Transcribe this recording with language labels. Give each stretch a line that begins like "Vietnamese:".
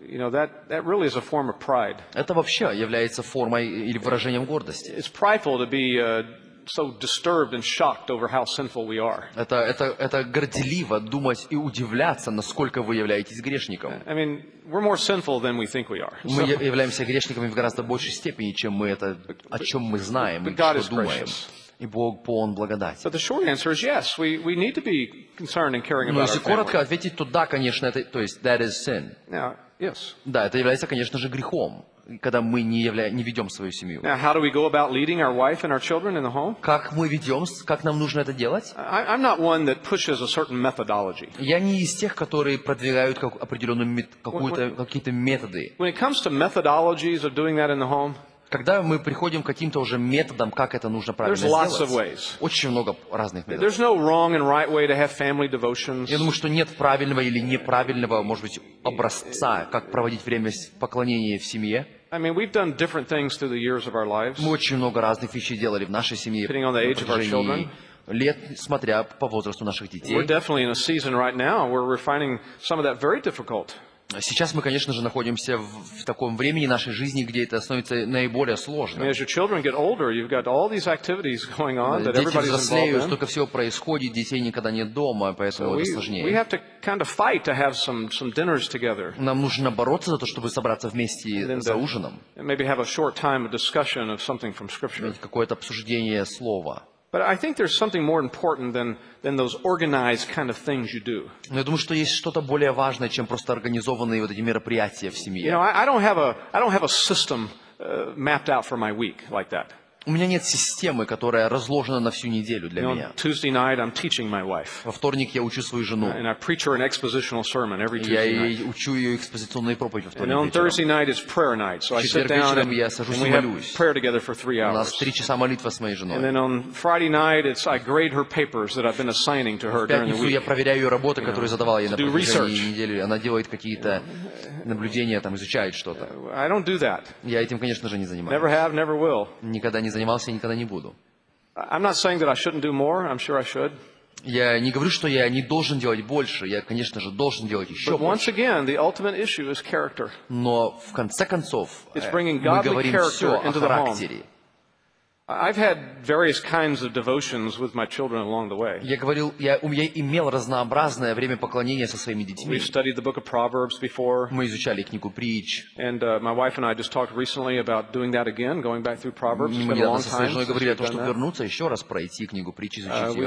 English: You know, that really is a form of pride.
Russian: Это вообще является формой или выражением гордости.
English: It's prideful to be so disturbed and shocked over how sinful we are.
Russian: Это горделиво думать и удивляться, насколько вы являетесь грешником.
English: I mean, we're more sinful than we think we are.
Russian: Мы являемся грешниками в гораздо большей степени, чем мы это, о чем мы знаем и что думаем. И Бог полон благодати.
English: But the short answer is yes. We need to be concerned and caring about our family.
Russian: Но если коротко ответить, то да, конечно, это, то есть
English: that is sin. Now, yes.
Russian: Да, это является, конечно же, грехом, когда мы не ведем свою семью.
English: Now, how do we go about leading our wife and our children in the home?
Russian: Как мы ведем, как нам нужно это делать?
English: I'm not one that pushes a certain methodology.
Russian: Я не из тех, которые продвигают определенную какие-то методы.
English: When it comes to methodologies of doing that in the home.
Russian: Когда мы приходим к каким-то уже методам, как это нужно правильно сделать, очень много разных методов.
English: There's no wrong and right way to have family devotions.
Russian: Я думаю, что нет правильного или неправильного, может быть, образца, как проводить время поклонения в семье.
English: I mean, we've done different things through the years of our lives.
Russian: Мы очень много разных вещей делали в нашей семье.
English: Depending on the age of our children.
Russian: лет, смотря по возрасту наших детей.
English: We're definitely in a season right now. We're refining some of that very difficult.
Russian: Сейчас мы, конечно же, находимся в таком времени нашей жизни, где это становится наиболее сложным.
English: As your children get older, you've got all these activities going on that everybody's involved in.
Russian: Дети взрослеют, столько всего происходит, детей никогда нет дома, поэтому это сложнее.
English: We have to kind of fight to have some dinners together.
Russian: Нам нужно бороться за то, чтобы собраться вместе за ужином.
English: Maybe have a short time of discussion of something from Scripture.
Russian: Какое-то обсуждение слова.
English: But I think there's something more important than those organized kind of things you do.
Russian: Но я думаю, что есть что-то более важное, чем просто организованные вот эти мероприятия в семье.
English: You know, I don't have a system mapped out for my week like that.
Russian: У меня нет системы, которая разложена на всю неделю для меня.
English: Tuesday night I'm teaching my wife.
Russian: Во вторник я учу свою жену.
English: And I preach her an expositional sermon every Tuesday night.
Russian: Я ей учу ее экспозиционные проповеди во вторник.
English: And on Thursday night is prayer night, so I sit down and we have prayer together for 3 hours.
Russian: У нас 3 часа молитва с моей женой.
English: And then on Friday night it's I grade her papers that I've been assigning to her during the week.
Russian: В пятницу я проверяю ее работы, которые задавал ей на протяжении недели. Она делает какие-то наблюдения, там изучает что-то.
English: I don't do that.
Russian: Я этим, конечно же, не занимаюсь.
English: Never have, never will.
Russian: Никогда не занимался и никогда не буду.
English: I'm not saying that I shouldn't do more. I'm sure I should.
Russian: Я не говорю, что я не должен делать больше. Я, конечно же, должен делать еще больше.
English: But once again, the ultimate issue is character.
Russian: Но в конце концов,
English: it's bringing godly
Russian: мы говорим
English: character
Russian: все
English: into
Russian: о характере.
English: I've had various kinds of devotions with my children along the way.
Russian: Я имел разнообразное время поклонения со своими детьми.
English: We studied the book of Proverbs before.
Russian: Мы изучали книгу Притч.
English: And my wife and I just talked recently about doing that again, going back through Proverbs.
Russian: Мы недавно с женой говорили о том, чтобы вернуться еще раз пройти книгу Притч, изучить ее.